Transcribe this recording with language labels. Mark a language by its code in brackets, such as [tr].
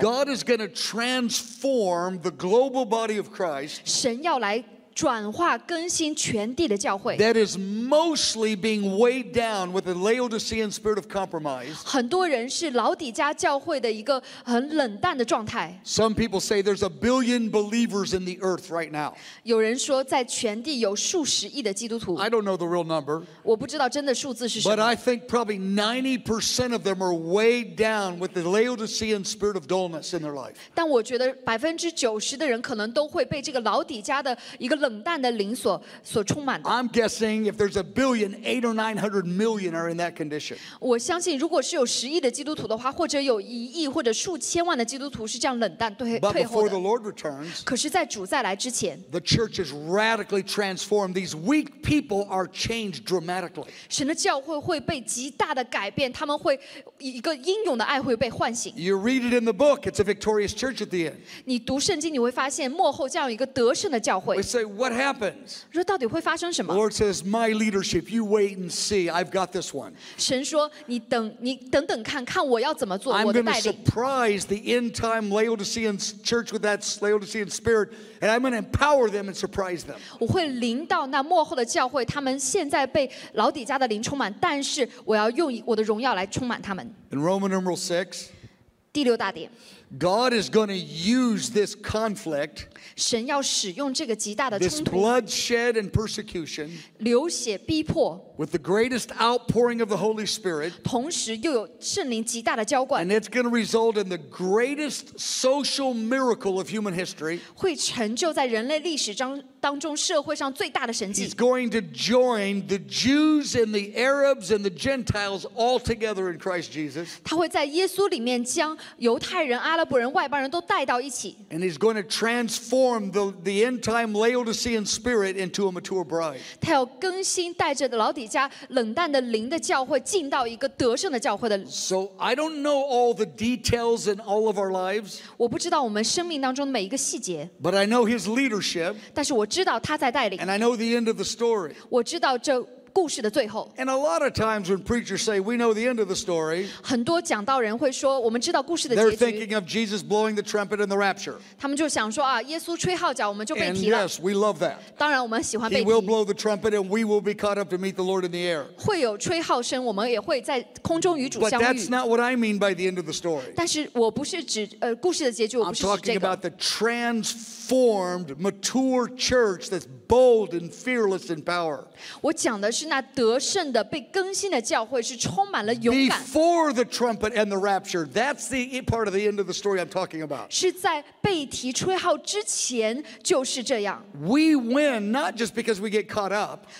[en] God is going to transform the global body of Christ. [zh] 神要来转化更新全地的教会。 [en] That is mostly being weighed down with a Laodicean spirit of compromise. [zh] 很多人是老底加教会的一个很冷淡的状态。 [en] Some people say there's a billion believers in the earth right now. [zh] 有人说在全地有数十亿的基督徒。 [en] I don't know the real number. [zh] 我不知道真的数字是什么。 [en] But I think probably 90% of them are weighed down with the Laodicean spirit of dullness in their life. [zh] 但我觉得90%的人可能都会被这个老底加的一个冷淡的灵所充满的。 [en] I'm guessing if there's a billion, 800 or 900 million are in that condition. [zh] 我相信，如果是有十亿的基督徒的话，或者有一亿或者数千万的基督徒是这样冷淡退后的。 [en] But before the Lord returns, [zh] 可是在主再来之前 [en] ，the church is radically transformed. These weak people are changed dramatically. [zh] 神的教会会被极大的改变，他们会一个英勇的爱会被唤醒。 [en] You read it in the book. It's a victorious church at the end. [zh] 你读圣经，你会发现末后将有一个得胜的教会。 [en] Say what happens? [zh] 说到底会发生什么 [en] ？Lord says, "My leadership, you wait and see. I've got this one." [zh] 神说，你等等看看我要怎么做，我的带领。 [en] I'm going to surprise the end-time Laodicean church with that Laodicean spirit, and I'm going to empower them and surprise them. [zh] 我会临到那末后的教会，他们现在被老底加的灵充满，但是我要用我的荣耀来充满他们。 [en] In Roman numeral 6, [zh] 第六大点。 [en] God is going to use this conflict, [zh] 神要使用这个极大的冲突 [en] this bloodshed and persecution, [zh] 流血逼迫 [en] with the greatest outpouring of the Holy Spirit, [zh] 同时又有圣灵极大的浇灌 [en] and it's going to result in the greatest social miracle of human history, [zh] 会成就在人类历史当中社会上最大的神迹 [en] He's going to join the Jews and the Arabs and the Gentiles all together in Christ Jesus, [zh] 他会在耶稣里面将犹太人阿拉伯人、外邦人都带到一起。 [en] And he's going to transform the end-time Laodicean spirit into a mature bride. [zh] 他要更新带着老底加冷淡的灵的教会进到一个得胜的教会的。 [en] So I don't know all the details in all of our lives. [zh] 我不知道我们生命当中每一个细节。 [en] But I know his leadership. [zh] 但是我知道他在带领。 [en] And I know the end of the story. [zh] 我知道这。 [en] And a lot of times when preachers say we know the end of the story, [zh] 很多讲道人会说我们知道故事的结局 [en] They're thinking of Jesus blowing the trumpet in the rapture. [zh] 他们就想说啊，耶稣吹号角，我们就被提了。 [en] And yes, we love that. [zh] 当然我们喜欢被提。 [en] He will blow the trumpet, and we will be caught up to meet the Lord in the air. [zh] 会有吹号声，我们也会在空中与主相遇。 [en] But that's not what I mean by the end of the story. [zh] 但是我不是指故事的结局，我不是指这个。 [en] I'm talking about the transformed, mature church that's bold and fearless in power. [zh] 我讲的是。那得胜的被更新的教会是充满了勇敢。 [en] Before the trumpet and the rapture, that's the part of the end of the story I'm talking about. [zh] 是在被提吹号之前就是这样。 [en] We win not just because we get caught up.